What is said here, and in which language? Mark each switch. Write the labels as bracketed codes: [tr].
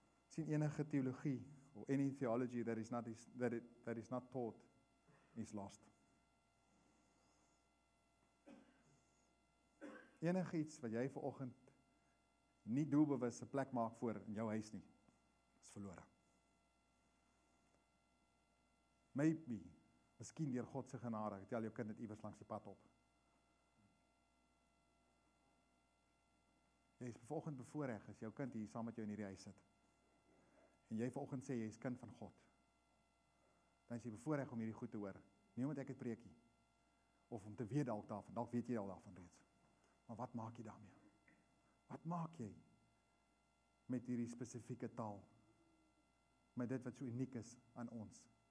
[af] Sien enige teologie, [en] or any theology that is not taught is lost. [af] Enig iets wat jy vanoggend nie doelbewus 'n plek maak voor in jou huis nie, is verlore. [en] Maybe, [af] miskien deur God se genade, tel jou kind dit iewers langs die pad op. Jy is vanoggend bevoorreg as jou kind hier saam met jou in hierdie huis sit. En jy vanoggend sê jy is kind van God. Dan is jy bevoorreg om hierdie goed te hoor. Nie omdat ek het preekie. Of om te weet dalk daarvan. Dalk weet jy al daarvan reeds. Maar wat maak jy daarmee? Wat maak jy met hierdie spesifieke taal? Met dit wat so uniek is aan ons.